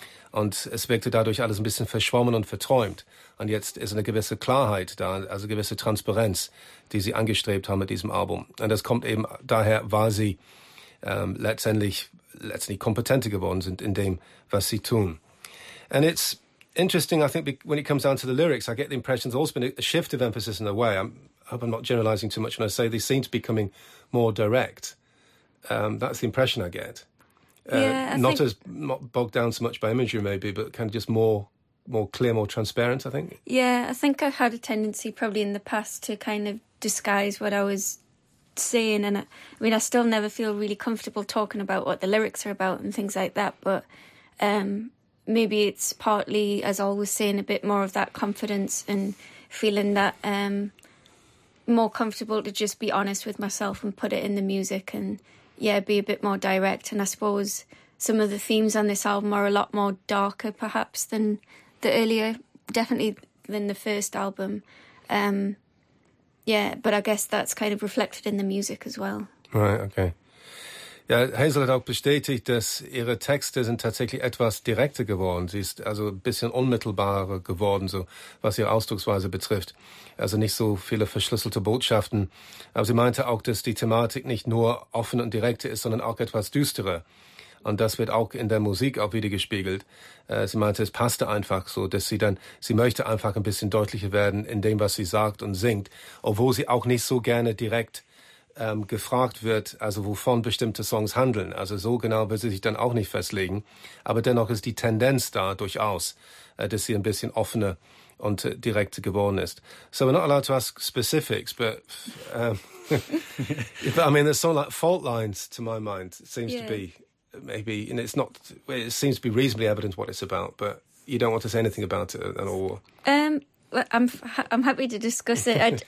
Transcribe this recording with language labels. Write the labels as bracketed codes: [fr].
[de] Und es wirkte dadurch alles ein bisschen verschwommen und verträumt. Und jetzt ist eine gewisse Klarheit da, also eine gewisse Transparenz, die sie angestrebt haben mit diesem Album. Und das kommt eben daher, weil sie letztendlich kompetenter geworden sind in dem, was sie tun. [en] And it's interesting, I think, when it comes down to the lyrics, I get the impression there's also been a shift of emphasis in a way. I hope I'm not generalizing too much when I say they seem to be coming more direct. That's the impression I get. Not bogged down so much by imagery, maybe, but kind of just more clear, more transparent, I think. Yeah, I think I had a tendency probably in the past to kind of disguise what I was saying. And I still never feel really comfortable talking about what the lyrics are about and things like that. But maybe it's partly, as I was saying, a bit more of that confidence and feeling that more comfortable to just be honest with myself and put it in the music and, yeah, be a bit more direct. And I suppose some of the themes on this album are a lot more darker, perhaps, than the earlier, definitely than the first album. But I guess that's kind of reflected in the music as well. Right, okay. [de] Ja, Hazel hat auch bestätigt, dass ihre Texte sind tatsächlich etwas direkter geworden. Sie ist also ein bisschen unmittelbarer geworden, so was ihre Ausdrucksweise betrifft. Also nicht so viele verschlüsselte Botschaften. Aber sie meinte auch, dass die Thematik nicht nur offen und direkter ist, sondern auch etwas düsterer. Und das wird auch in der Musik auch wieder gespiegelt. Sie meinte, es passte einfach so, dass sie möchte einfach ein bisschen deutlicher werden in dem, was sie sagt und singt. Obwohl sie auch nicht so gerne direkt gefragt wird, also wovon bestimmte Songs handeln. Also so genau will sie sich dann auch nicht festlegen. Aber dennoch ist die Tendenz da durchaus, dass sie ein bisschen offener und direkter geworden ist. [en] So we're not allowed to ask specifics, but I mean, there's some like fault lines to my mind. It seems to be maybe, you know, it's not, it seems to be reasonably evident what it's about, but you don't want to say anything about it at all. I'm happy to discuss it.